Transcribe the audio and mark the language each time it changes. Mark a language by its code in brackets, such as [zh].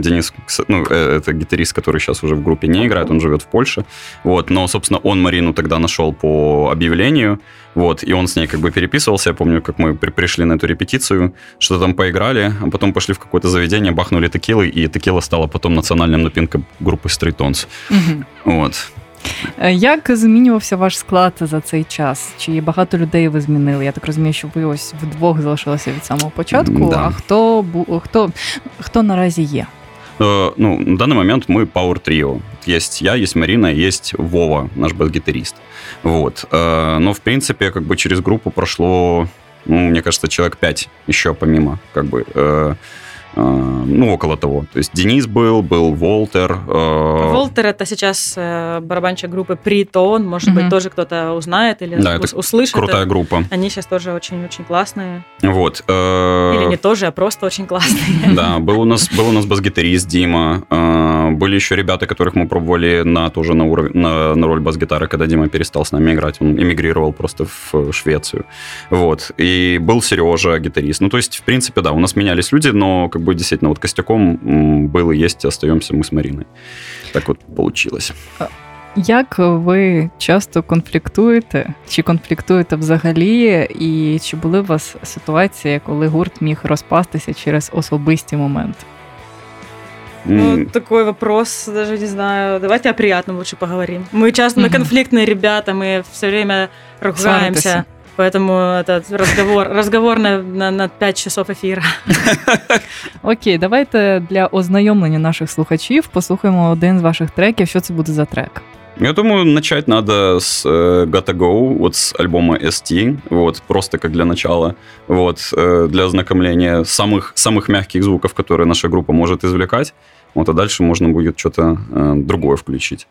[ru] Денис, ну, это гитарист, который сейчас уже в группе не играет, он живет в Польше. Вот. Но, собственно, он Марину тогда нашел по объявлению. Вот, и он с ней как бы переписывался. Я помню, как мы пришли на эту репетицию, что-то там поиграли, а потом пошли в какое-то заведение, бахнули текилы, и текила стала потом национальным допингом группы Stray Tones. Вот. [uk] Як змінювався ваш склад за цей час? Чи багато людей ви змінили? Я так розумію, що ви ось вдвох залишилися від самого початку. Да. А хто наразі є? Ну, на даний момент ми Power Trio. Є я, є Маріна, є Вова, наш бас-гітарист. [ru] Вот. Ну, в принципі, как бы [uk] через групу пройшло, [ru] ну, мені кажется, чоловік 5 ще помимо, как бы, ну, около того. То есть Денис был Волтер. Волтер – это сейчас барабанщик группы Притон. Может быть, тоже кто-то узнает или услышит. Крутая группа. Они сейчас тоже очень-очень классные. Вот. Или не тоже, а просто очень классные. Да, был у нас бас-гитарист Дима. Были еще ребята, которых мы пробовали на роль бас-гитары, когда Дима перестал с нами играть. Он эмигрировал просто в Швецию. Вот. И был Сережа, гитарист. Ну, то есть, в принципе, да, у нас менялись люди, но как бы действительно вот костяком был и есть, остаемся мы с Мариной. Так вот получилось. Як ви часто конфліктуєте? Чи конфліктуєте взагалі? І чи були у вас ситуації, коли гурт міг розпастися через особисті моменти? Ну, такой вопрос, даже не знаю. Давайте о приятном лучше поговорим. Мы часто, мы конфликтные ребята, мы все время ругаемся. Поэтому этот разговор на 5 часов ефіру. [uk] Окей, давайте для ознайомлення наших слухачів послухаємо один з ваших треків. Що це буде за трек? [ru] Я думаю, начать надо с Gotta Go, вот с альбома ST, вот, просто как для начала, вот, для ознакомления самых мягких звуков, которые наша группа может извлекать, вот, а дальше можно будет что-то другое включить.